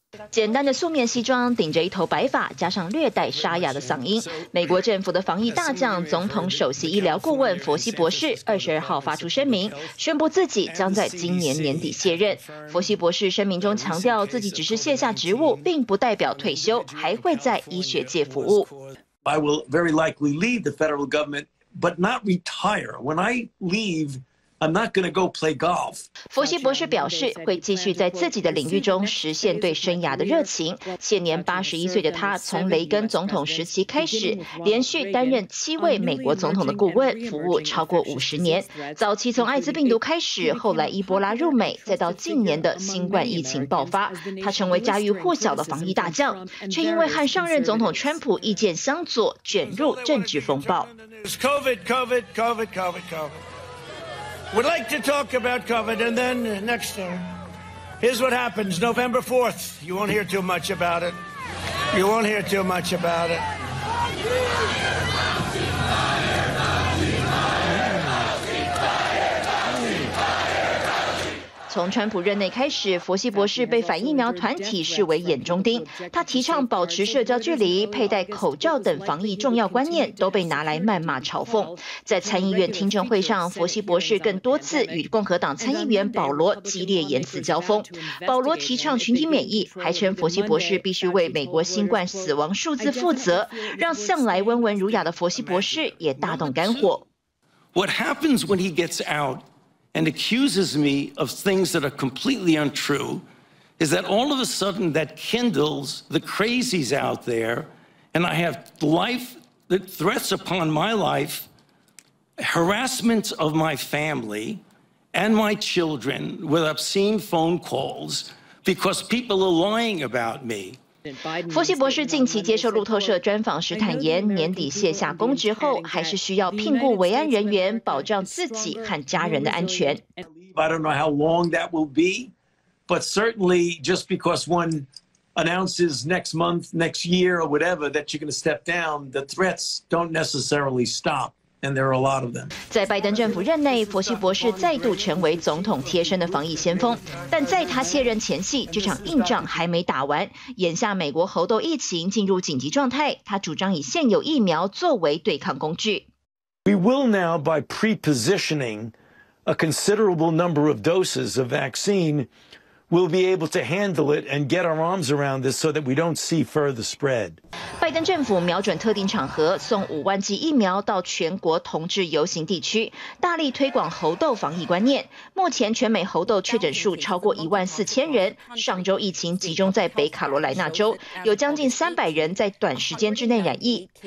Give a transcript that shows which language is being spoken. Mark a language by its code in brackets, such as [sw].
[zh] 简单的素面西装，顶着一头白发，加上略带沙哑的嗓音，美国政府的防疫大将、总统首席医疗顾问佛西博士22号发出声明，宣布自己将在今年年底卸任。佛西博士声明中强调，自己只是卸下职务，并不代表退休，还会在医学界服务。 [en] I will very likely leave the federal government. But not retire. When I leave, I'm not going to go play golf. [zh] 佛西博士表示，会继续在自己的领域中实现对生涯的热情。现年81岁的他，从雷根总统时期开始，连续担任七位美国总统的顾问，服务超过50年。早期从艾滋病毒开始，后来伊波拉入美，再到近年的新冠疫情爆发，他成为家喻户晓的防疫大将，却因为和上任总统川普意见相左，卷入政治风暴。 [en] COVID. We'd like to talk about COVID, and then next time, here's what happens. November 4th, you won't hear too much about it. You won't hear too much about it. [zh] 从川普任内开始，佛西博士被反疫苗团体视为眼中钉，他提倡保持社交距离、佩戴口罩等防疫重要观念都被拿来谩骂嘲讽。在参议院听证会上，佛西博士更多次与共和党参议员保罗激烈言辞交锋。保罗提倡群体免疫，还称佛西博士必须为美国新冠死亡数字负责，让向来温文儒雅的佛西博士也大动肝火。 [en] What happens when he gets outand accuses me of things that are completely untrue, is that all of a sudden that kindles the crazies out there, and I have life that threats upon my life, harassment of my family and my children with obscene phone calls because people are lying about me. [zh] 佛西博士近期接受路透社专访时坦言，年底卸下公职后，还是需要聘雇维安人员保障自己和家人的安全。 [en] I don't know how long that will be, but certainly just because one announces next month, next year, or whatever that you're going to step down, the threats don't necessarily stop. And there are a lot of them. [zh] 在拜登政府任内，佛西博士再度成为总统贴身的防疫先锋。但在他卸任前夕，这场硬仗还没打完。眼下美国猴痘疫情进入紧急状态，他主张以现有疫苗作为对抗工具。 [en] We will now, by pre-positioning a considerable number of doses of vaccine, will be able to handle it and get our arms around this so that we don't see further spread. [zh] 拜登政府瞄准特定场合，送50000剂疫苗到全国同志游行地区，大力推广猴痘防疫观念。目前全美猴痘确诊数超过14000人，上周疫情集中在北卡罗来纳州，有将近300人在短时间之内染疫。